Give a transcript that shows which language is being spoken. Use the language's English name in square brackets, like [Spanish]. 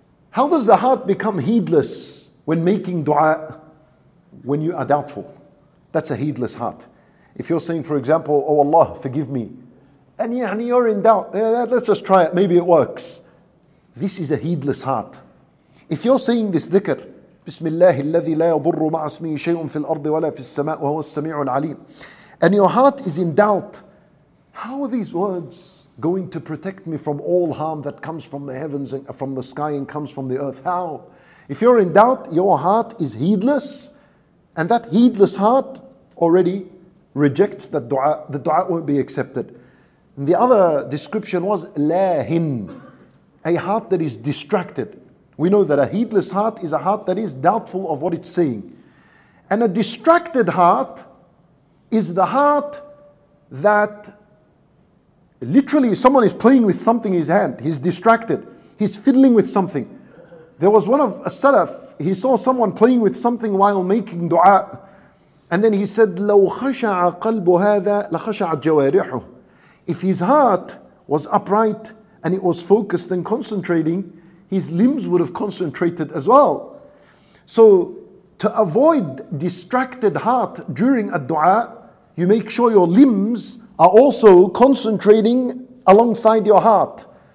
[English] How does the heart become heedless when making dua? When you are doubtful. That's a heedless heart. If you're saying, for example, oh Allah, forgive me, and you're in doubt, let's just try it, maybe it works. This is a heedless heart. If you're saying this dhikr, [Arabic] Bismillah, الذي لا يضر مع اسمه شيء في الأرض ولا في السماء وهو السميع العليم, [English] and your heart is in doubt, how are these words going to protect me from all harm that comes from the heavens and from the sky and comes from the earth? How? If you're in doubt, your heart is heedless, and that heedless heart already rejects that dua, the dua won't be accepted. And the other description was lahin, a heart that is distracted. We know that a heedless heart is a heart that is doubtful of what it's seeing. And a distracted heart is the heart that literally someone is playing with something in his hand. He's distracted. He's fiddling with something. There was one of a salaf, he saw someone playing with something while making dua. And then he said, [Arabic] لَوْ خَشَعَ قَلْبُ هَذَا لَخَشَعَ جَوَارِحُ. [English] If his heart was upright and it was focused and concentrating, his limbs would have concentrated as well. So to avoid distracted heart during a dua, you make sure your limbs are also concentrating alongside your heart.